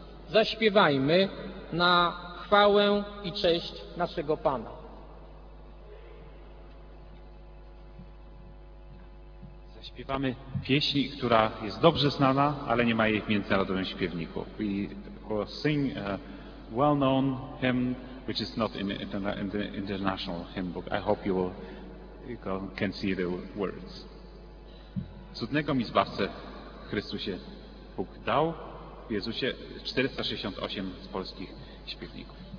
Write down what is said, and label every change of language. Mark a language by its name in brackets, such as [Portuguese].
[Polish] Zaśpiewajmy na chwałę i cześć naszego Pana. Zaśpiewamy pieśń, która jest dobrze znana, ale nie ma jej w międzynarodowym śpiewniku. [English] We will sing a well-known hymn which is not in, in the international hymn book. I hope you will can see the words. [Polish] Cudnego mi zbawcę Chrystusie Bóg dał w Jezusie 468 z polskich śpiewników.